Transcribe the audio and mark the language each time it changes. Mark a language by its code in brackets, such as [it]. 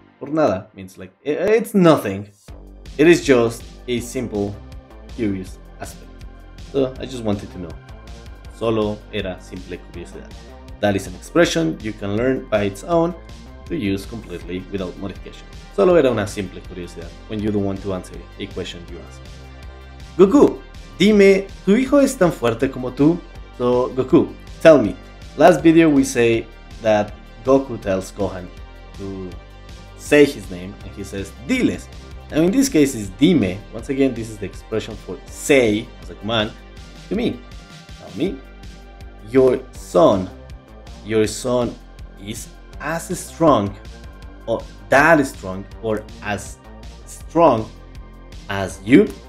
[en] Por nada means like, it's nothing. It is just a simple, curious aspect. So I just wanted to know. [es] Solo era simple curiosidad. [en] That is an expression you can learn by its own to use completely without modification. [es] Solo era una simple curiosidad [en] when you don't want to answer a question you ask. [es] Goku, dime, ¿tu hijo es tan fuerte como tú? [en] So, Goku, tell me. Last video we say that Goku tells Gohan to say his name and he says, diles. Now in this case is dime. Once again, this is the expression for say as a command to me. Tell me, your son is as strong, or that strong, or as strong as you.